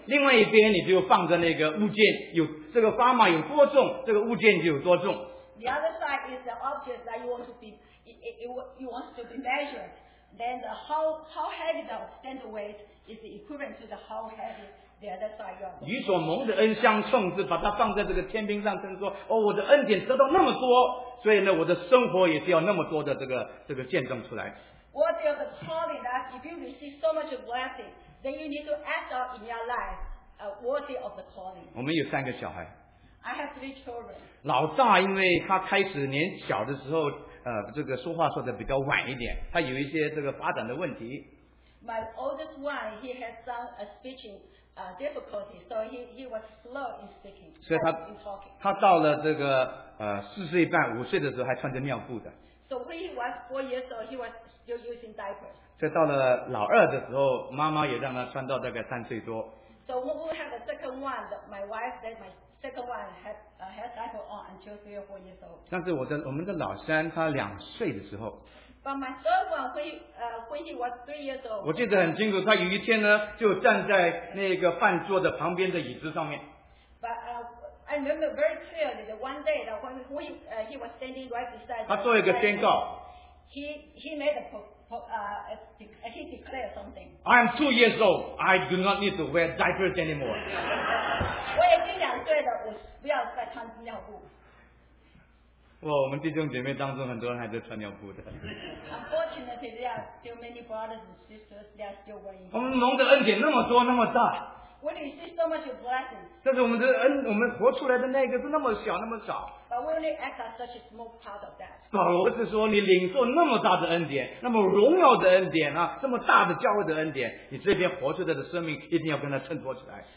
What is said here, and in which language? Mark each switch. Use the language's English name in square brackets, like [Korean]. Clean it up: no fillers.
[Chinese] 另外一边你就放着那个物件，有这个砝码有多重，这个物件就有多重。 [English] The other side is the object that you want to be you want to be measured. Then the how heavy the scale weight is equivalent to the how heavy. [Chinese] 与所蒙的恩相称，是把它放在这个天平上称，说哦，我的恩典得到那么多，所以呢，我的生活也是要那么多的这个见证出来。 [English] What is the calling that if you receive so much blessing, then you need to act out in your life, worthy of the calling. [Chinese] 我们有三个小孩。 [English] I have three children. [Chinese] 老大因为他开始年小的时候，这个说话说的比较晚一点，他有一些这个发展的问题。 [English] My oldest one, he has done a speaking. Difficulty, so he was slow in speaking. [Chinese] 所以他到了这个四岁半五岁的时候还穿着尿布的。 [English] So when he was 4 years old, he was still using diapers. [Chinese] 这到了老二的时候，妈妈也让他穿到大概三岁多。 [English] So when we have the second one, my wife said my second one had diaper on until 3 or 4 years old. [Chinese] 但是我们的老三他两岁的时候。 [English] But my third one, when he was 3 years old. [Chinese] 我记得很清楚，他有一天呢，就站在那个饭桌的旁边的椅子上面。 [English] But I remember very clearly that one day that when he was standing right beside. [Chinese] 他做一个宣告。 [English] He made he declared something. I am 2 years old. I do not need to wear diapers anymore. [Chinese] 我已经两岁了，我不要再穿尿布。哇，我们弟兄姐妹当中很多人还在穿尿布的。 [English] Unfortunately, there are still many brothers and sisters. They are still wearing. [Chinese] 我们蒙的恩典那么多，那么大。 [English] We receive so much blessings. [Chinese] 但是我们的恩，我们活出来的那个是那么小，那么少。 [English] But we only act as such a small part of that. [Chinese] 保罗是说，你领受那么大的恩典，那么荣耀的恩典啊，这么大的教会的恩典，你这边活出来的生命一定要跟它衬托起来。